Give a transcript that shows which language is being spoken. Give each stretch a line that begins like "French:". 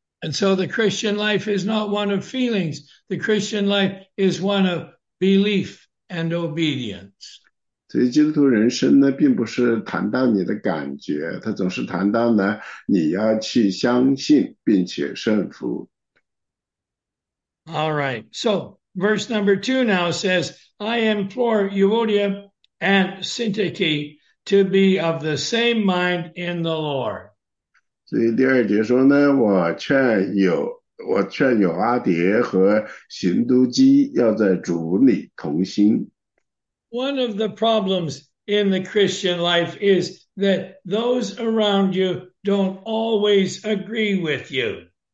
English: And so the Christian life is not one of feelings. The Christian life is one of belief and obedience.
Chinese: 所以基督徒人生呢，并不是谈到你的感觉，他总是谈到呢，你要去相信并且顺服。
English: All right, so verse number 2 now says, I implore Euodia and Syntyche to be of the same mind in the Lord.
Chinese: 所以第2节说呢，我劝友阿蝶和行都基要在主里同心。
English: One of the problems in the Christian life is that those around you don't always agree with you.